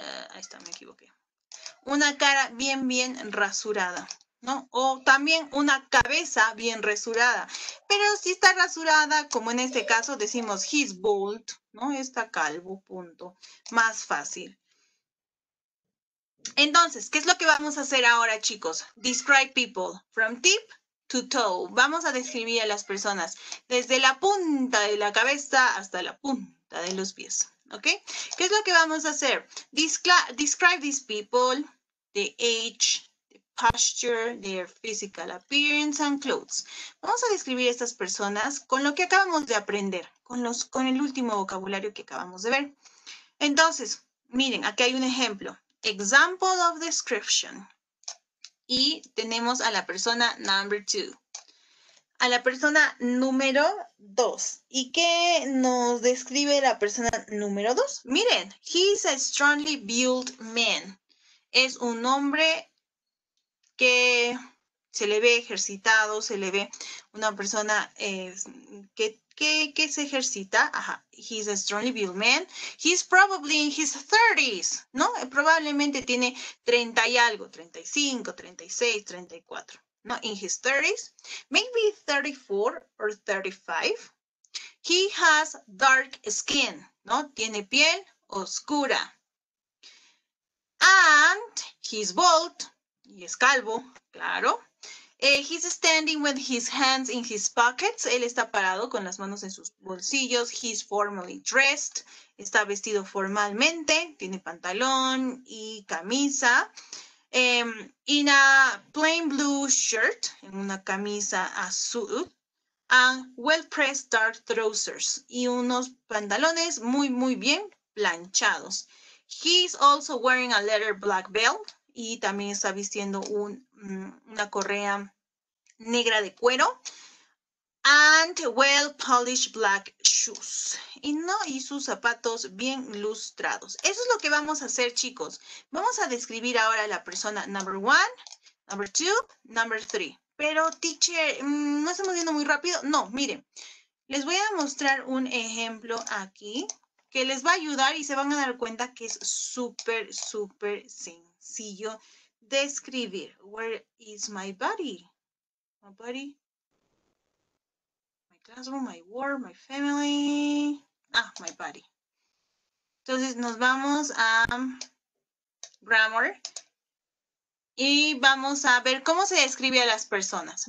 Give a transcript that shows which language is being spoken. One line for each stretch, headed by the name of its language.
Spanish: Ahí está, me equivoqué. Una cara bien rasurada, ¿no? O también una cabeza bien rasurada. Pero si está rasurada, como en este caso decimos,
English: he's bald,
Spanish: ¿no? Está calvo, punto. Más fácil. Entonces, ¿qué es lo que vamos a hacer ahora, chicos?
English: Describe people from tip to toe.
Spanish: Vamos a describir a las personas desde la punta de la cabeza hasta la punta de los pies, ¿ok? ¿Qué es lo que vamos a hacer?
English: Describe these people. The age, the posture, their physical appearance and clothes.
Spanish: Vamos a describir a estas personas con lo que acabamos de aprender, con el último vocabulario que acabamos de ver. Entonces, miren, aquí hay un ejemplo.
English: Example of description.
Spanish: Y tenemos a la persona number two. A la persona número dos. ¿Y qué nos describe la persona número dos? Miren, he's a strongly built man. Es un hombre que se le ve ejercitado, se le ve una persona que se ejercita. Ajá.
English: He's a strongly built man. He's probably in his 30s, ¿no?
Spanish: Probablemente tiene 30 y algo, 35, 36, 34.
English: No, in his 30s, maybe 34 or 35. He has dark skin, ¿no?
Spanish: Tiene piel oscura.
English: And he's bald,
Spanish: y es calvo, claro.
English: He's standing with his hands in his pockets.
Spanish: Él está parado con las manos en sus bolsillos.
English: He's formally dressed.
Spanish: Está vestido formalmente. Tiene pantalón y camisa.
English: In a plain blue shirt,
Spanish: en una camisa azul,
English: and well-pressed dark trousers,
Spanish: y unos pantalones muy, muy bien planchados.
English: He's also wearing a leather black belt,
Spanish: y también está vistiendo una correa negra de cuero,
English: and well-polished black shoes,
Spanish: y sus zapatos bien lustrados. Eso es lo que vamos a hacer, chicos. Vamos a describir ahora a la persona
English: number one, number two, number three.
Spanish: Pero, teacher, ¿no estamos viendo muy rápido? No, miren, les voy a mostrar un ejemplo aquí que les va a ayudar y se van a dar cuenta que es súper, súper sencillo describir.
English: Where is my body? My body. Classroom, my work, my family. Ah, my body.
Spanish: Entonces nos vamos a grammar y vamos a ver cómo se describe a las personas.